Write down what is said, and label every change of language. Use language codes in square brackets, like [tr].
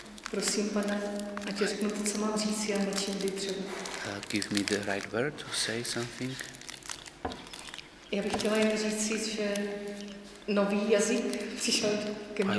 [cs] Prosím, Pane, ať řeknu to, co mám říct, a nečím být třeba. [en] Give me the right word to say something. [cs] Já bych chtěla jen říct, že nový jazyk přišel ke mně.